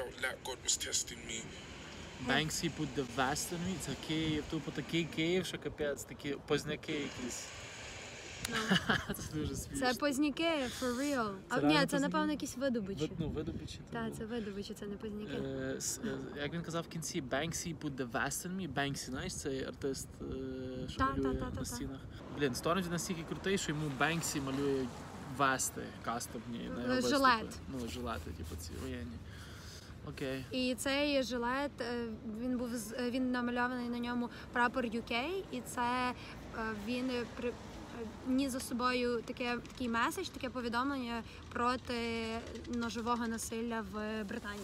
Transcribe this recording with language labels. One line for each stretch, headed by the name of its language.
English: Ah, God's son, this is blessed on me. Banksy put the vest on me.
Ukrainian: Такий, тупо такий Київ, що капець, такі позняки якісь. Це дуже смішно. Це позняки,
English: for real.
Ukrainian: А ні, це напевно якісь видобичі. Ну, видобичі. Так, це видобичі, це не позняки. Як він казав в кінці,
English: Banksy put the vest on me.
Ukrainian: Banksy, знаєш, цей артист, що малює на стінах. Блін, Stormzy настільки крутий, що йому Banksy малює в вести кастомні. Жилет. Ну, жилети, типу, ці воєнні. Окей. І цей жилет, він був, він намальований на ньому прапор UK, і це він ніс за собою таке, такий меседж, таке повідомлення проти ножового насилля в Британії.